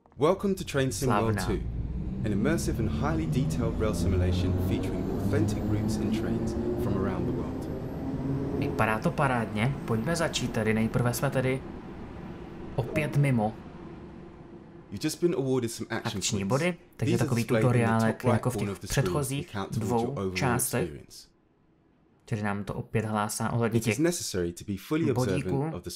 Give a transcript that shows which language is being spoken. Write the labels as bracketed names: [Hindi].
[English] Welcome to Train Simulator 2, an immersive and highly detailed rail simulation featuring authentic routes and trains from around the world. [Czech] Vypadá to parádně, pojďme začít tady, nejprve jsme tady opět mimo. [English] You've just been awarded some action [Czech] akční body, takže takový tutoriálek jako v těch předchozích dvou částech. Čili nám to opět hlásá ohledně těch bodíků.